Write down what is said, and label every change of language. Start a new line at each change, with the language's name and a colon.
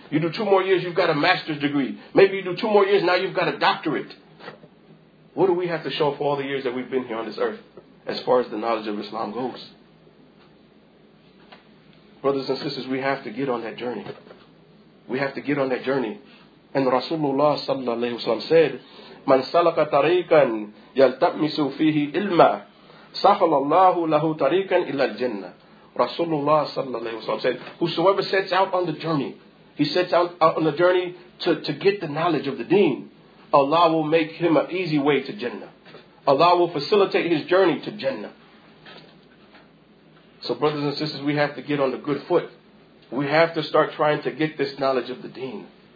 English: You do 2 more years, you've got a master's degree. Maybe you do 2 more years, now you've got a doctorate. What do we have to show for all the years that we've been here on this earth, as far as the knowledge of Islam goes? Brothers and sisters, we have to get on that journey. We have to get on that journey. And Rasulullah sallallahu alayhi wa sallam said,
Arabic: من سلك طريقا يلتمس فيه علما سهل الله له طريقا الى الجنه.
English: Rasulullah sallallahu alaihi wasallam said, whosoever sets out on the journey, he sets out on the journey to get the knowledge of the deen, Allah will make him an easy way to Jannah. Allah will facilitate his journey to Jannah. So brothers and sisters, we have to get on the good foot. We have to start trying to get this knowledge of the deen.